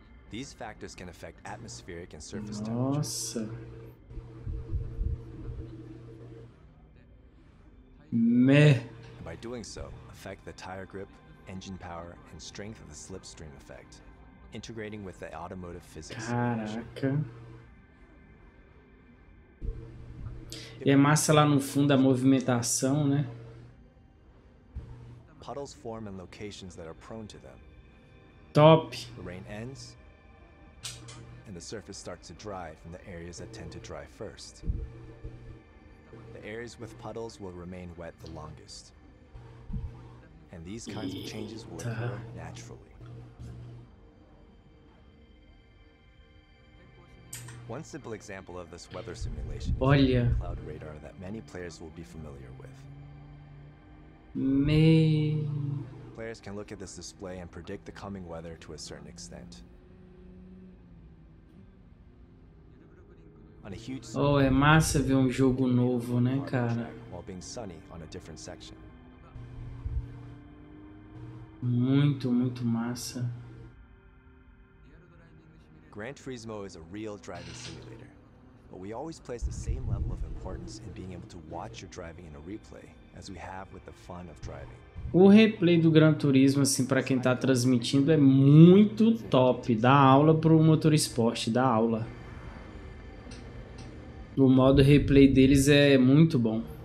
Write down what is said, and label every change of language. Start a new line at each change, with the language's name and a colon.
English: These factors can affect atmospheric and surface temperature.
Portuguese: Nossa.
English: By doing so, affect the tire grip, engine power, and strength of the slipstream effect, integrating with the automotive physics.
Portuguese: Caraca. E é massa lá no fundo a movimentação, né?
English: Puddles form in locations that are prone to them. Top. The rain ends. And the surface starts to dry from the areas that tend to dry first. The areas with puddles will remain wet the longest. And these kinds of changes will occur naturally. One simple example of this weather simulation
Portuguese: Olha.
English: Is cloud radar that many players will be familiar with. Players can look at this display and predict the coming weather to a certain extent.
Portuguese: Oh, é massa ver um jogo novo, né, cara?
English: While being sunny on a different section.
Portuguese: Muito, muito massa.
English: Gran Turismo is a real driving simulator, but we always place the same level of importance in being able to watch your driving in a replay as we have with the fun of driving.
Portuguese: O replay do Gran Turismo, assim, para quem tá transmitindo, é muito top. Dá aula pro Motorsport, dá aula. O modo replay deles é muito bom.